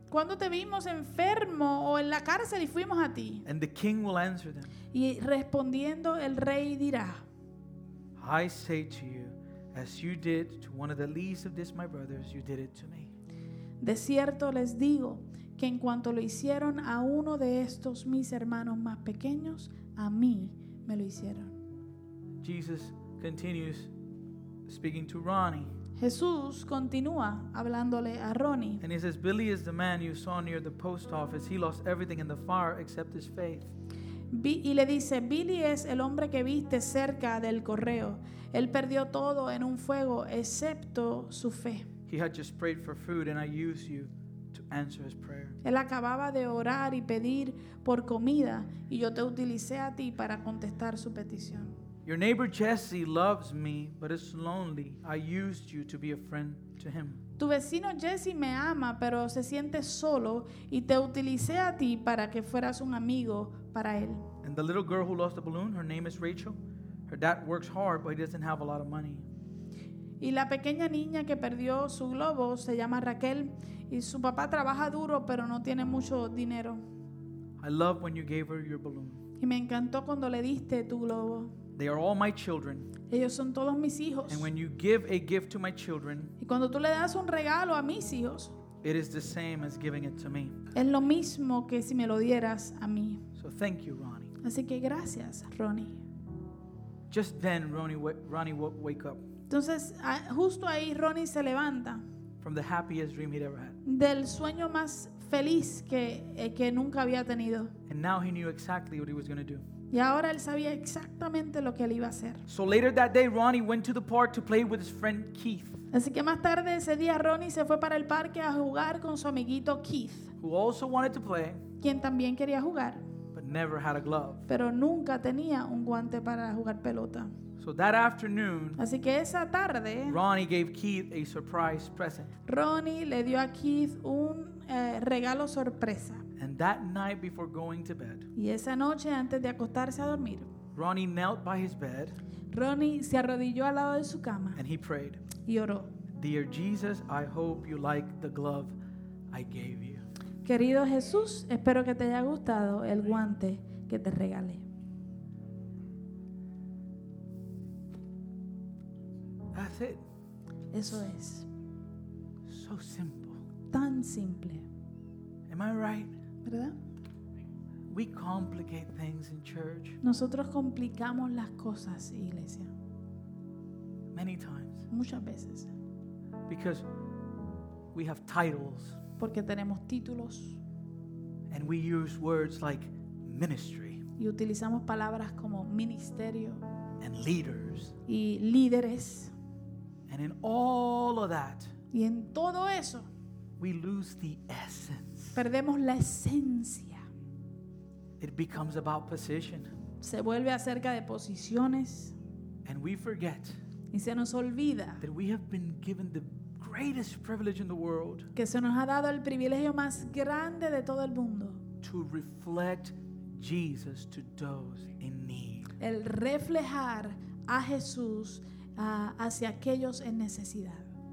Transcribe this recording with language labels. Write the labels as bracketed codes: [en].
[es] ¿Cuándo te vimos enfermo o en la cárcel y fuimos a ti? [en] And the king will answer them. [es] Y respondiendo el rey dirá, [en] I say to you, as you did to one of the least of this my brothers, you did it to me. [es] De cierto les digo que en cuanto lo hicieron a uno de estos mis hermanos más pequeños, a mí me lo hicieron. [en] Jesus continues speaking to Ronnie. [es] Jesús continúa hablándole a Ronnie. [en] And he says, Billy is the man you saw near the post office. He lost everything in the fire except his faith. [es] Y le dice, Billy es el hombre que viste cerca del correo. Él perdió todo en un fuego, excepto su fe. [en] He had just prayed for food, and I used you to answer his prayer. [es] Él acababa de orar y pedir por comida, y yo te utilicé a ti para contestar su petición. [en] Your neighbor Jesse loves me, but is lonely. I used you to be a friend to him. [es] Tu vecino Jesse me ama, pero se siente solo, y te utilicé a ti para que fueras un amigo. [en] And the little girl who lost the balloon, her name is Rachel. Her dad works hard, but he doesn't have a lot of money. [es] Y la pequeña niña que perdió su globo se llama Raquel, y su papá trabaja duro, pero no tiene mucho dinero. [en] I love when you gave her your balloon. [es] Y me encantó cuando le diste tu globo. [en] They are all my children. [es] Ellos son todos mis hijos. [en] And when you give a gift to my children, [es] y cuando tú le das un regalo a mis hijos, [en] it is the same as giving it to me. [es] Es lo mismo que si me lo dieras a mí. [en] So thank you, Ronnie. [es] Así que gracias, Ronnie. [en] Just then, Ronnie woke up. [es] Entonces, justo ahí, Ronnie se levanta. [en] From the happiest dream he'd ever had. [es] Del sueño más feliz que nunca había tenido. [en] And now he knew exactly what he was going to do. [es] Y ahora él sabía exactamente lo que él iba a hacer. [en] So later that day, Ronnie went to the park to play with his friend Keith. [es] Así que más tarde ese día, Ronnie se fue para el parque a jugar con su amiguito Keith. [en] Who also wanted to play. [es] Quien también quería jugar. [en] Never had a glove. [es] Pero nunca tenía un guante para jugar pelota. [en] So that afternoon, [es] así que esa tarde, [en] Ronnie gave Keith a surprise present. [es] Ronnie le dio a Keith un regalo sorpresa. [en] And that night before going to bed, [es] y esa noche antes de acostarse a dormir, [en] Ronnie knelt by his bed. [es] Ronnie se arrodilló al lado de su cama. [en] And he prayed. [es] Y oró. [en] Dear Jesus, I hope you like the glove I gave you. [es] Querido Jesús, espero que te haya gustado el guante que te regalé. [en] That's it. [es] Eso es. [en] So simple. [es] Tan simple. [en] Am I right? [es] ¿Verdad? [en] We complicate things in church. [es] Nosotros complicamos las cosas, iglesia. [en] Many times. [es] Muchas veces. [en] Because we have titles. [es] Porque tenemos títulos. [en] And we use words like ministry. [es] Y utilizamos palabras como ministerio. [en] And leaders. [es] Y líderes. [en] And in all of that. [es] Y en todo eso. [en] We lose the essence. [es] Perdemos la esencia. [en] It becomes about position. [es] Se vuelve acerca de posiciones. [en] And we forget. [es] Y se nos olvida. [en] That we have been given the greatest privilege in the world. [es] Que se nos ha dado el privilegio más grande de todo el mundo. [en] To reflect Jesus to those in need. [es] El reflejar a Jesús hacia aquellos en necesidad.